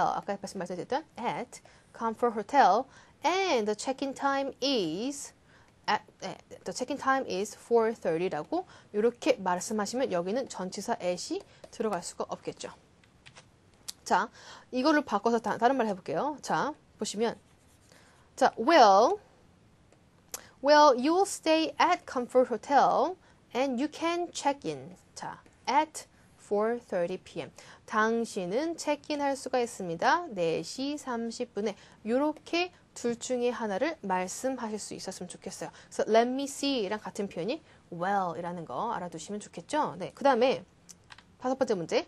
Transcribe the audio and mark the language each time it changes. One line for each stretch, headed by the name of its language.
Korean: 아까 말씀드렸던
English: at Comfort Hotel. And the check-in time is at, 네, the check-in time is 4:30
Korean: 라고 이렇게 말씀하시면 여기는 전치사 at이 들어갈 수가 없겠죠. 자, 이거를 바꿔서 다른 말 해볼게요. 자, 보시면 자,
English: Well, you will stay at Comfort Hotel and you can check in. 자, at 4:30 p.m.
Korean: 당신은 체크인할 수가 있습니다. 4시 30분에. 이렇게 둘 중에 하나를 말씀하실 수 있었으면 좋겠어요. 그래서 let me see랑 같은 표현이 well이라는 거 알아두시면 좋겠죠? 네. 그 다음에 다섯 번째 문제.